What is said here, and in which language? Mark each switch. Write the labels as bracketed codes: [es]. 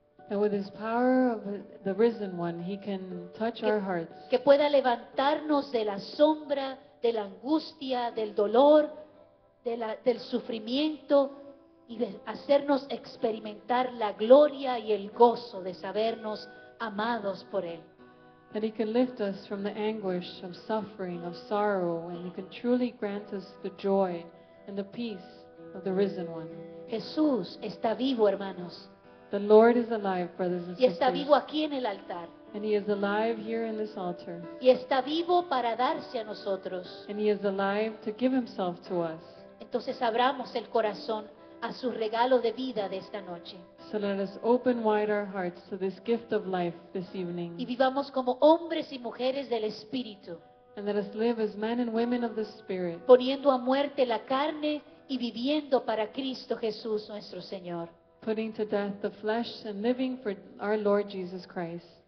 [en] And with His power of the risen one, He can touch our hearts. [es] Que pueda levantarnos de la sombra, de la angustia, del dolor, del sufrimiento y de hacernos experimentar la gloria y el gozo de sabernos amados por Él. [en] That He can lift us from the anguish of suffering, of sorrow, and He can truly grant us the joy and the peace of the risen one. [es] Jesús está vivo, hermanos. [en] The Lord is alive, brothers and sisters. [es] Y está vivo aquí en el altar. [en] And He is alive here in this altar. [es] Y está vivo para darse a nosotros. [en] And He is alive to give Himself to us. [es] Entonces abramos el corazón a su regalo de vida de esta noche. [en] So let us open wide our hearts to this gift of life this evening. [es] Y vivamos como hombres y mujeres del Espíritu. [en] And let us live as men and women of the Spirit. [es] Poniendo a muerte la carne y viviendo para Cristo Jesús nuestro Señor. [en] Putting to death the flesh and living for our Lord Jesus Christ.